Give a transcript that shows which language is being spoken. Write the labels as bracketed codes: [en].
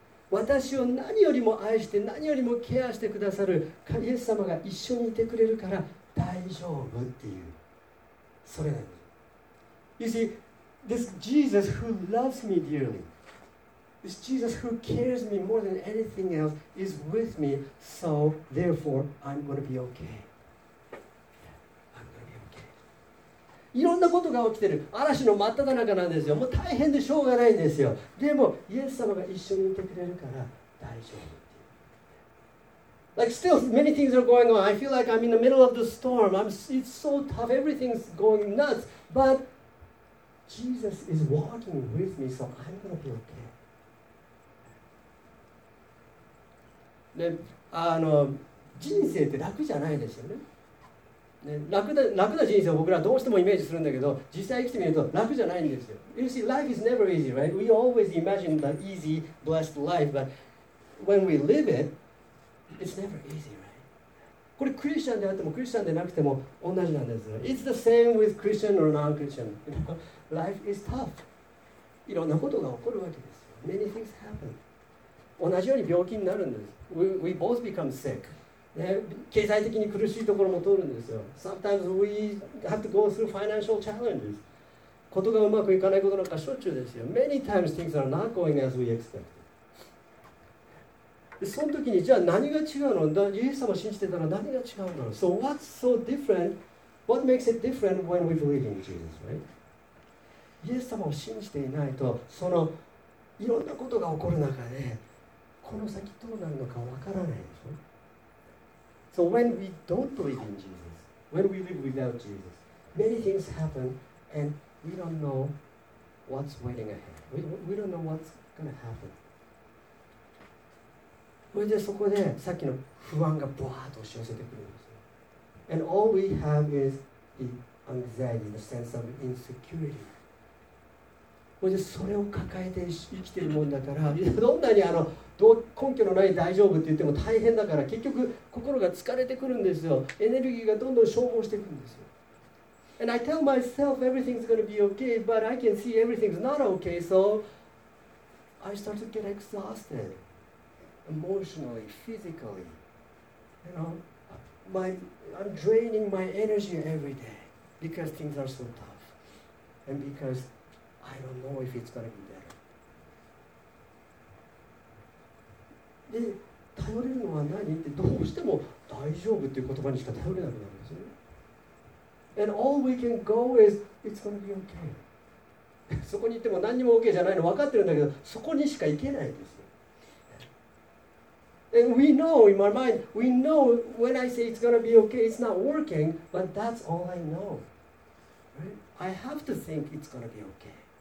[ja] 私を何よりも愛して何よりもケアしてくださるイエス様が一緒にいてくれるから大丈夫っていう。それなの。 [en] You see, this Jesus who loves me dearly,This Jesus who cares me more than anything else is with me, so therefore I'm going to be okay. I'm going to be okay. [ja] いろんなことが起きてる。嵐の真っ只中なんですよ。もう大変でしょうがないんですよ。でもイエス様が一緒にいてくれるから大丈夫。 [en] Like still many things are going on. I feel like I'm in the middle of the storm. It's so tough. Everything's going nuts. But Jesus is walking with me, so I'm going to be okay. [ja] ね、人生って楽じゃないですよ ね楽な人生を僕らどうしてもイメージするんだけど、実際生きてみると楽じゃないんですよ。 [en] You see, life is never easy, right? We always imagine the easy, blessed life, but when we live it, it's never easy, right? [ja] これクリスチャンであってもクリスチャンでなくても同じなんですよ。 [en] It's the same with Christian or non-Christian. You know, life is tough. [ja] いろんなことが起こるわけですよ。 [en] Many things happen. [ja] 同じように病気になるんです。 We both become sick.、ね、経済的に苦しいところも通るんですよ。 [en] Sometimes we have to go through financial challenges. [ja] ことがうまくいかないことなんかしょっちゅうですよ。 [en] Many times things are not going as we expect. [ja] その時にじゃあ何が違うの？イエス様を信じてたら何が違うの [en] ？So what's so different? What makes it different when we believe in Jesus, right? [ja] イエス様を信じていないと、そのいろんなことが起こる中で、この先どうなるのかわからないでしょ。 [en] So when we don't believe in Jesus, when we live without Jesus, many things happen and we don't know what's waiting ahead. We don't know what's going to happen. [ja] それでそこでさっきの不安がブワーッと押し寄せてくるんですよ。 [en] And all we have is the anxiety, the sense of insecurity. [ja] それでそれを抱えて生きているもんだから、どんなに根拠のない大丈夫って言っても大変だから、結局心が疲れてくるんですよ。エネルギーがどんどん消耗していくんですよ。 [en] And I tell myself everything's going to be okay, but I can see everything's not okay, so I start to get exhausted, emotionally, physically. You know, I'm draining my energy every day because things are so tough. And becauseI don't know if it's going to be better. [ja] で、頼れるのは何って、どうしても大丈夫っていう言葉にしか頼れなくなるんですよ。 [en] And all we can go is, it's going to be okay. [ja] そこに行っても何にも OK じゃないの分かってるんだけど、そこにしか行けないんですよ。 [en] And we know in my mind, we know when I say it's going to be okay, it's not working, but that's all I know.、Right? I have to think it's going to be okay.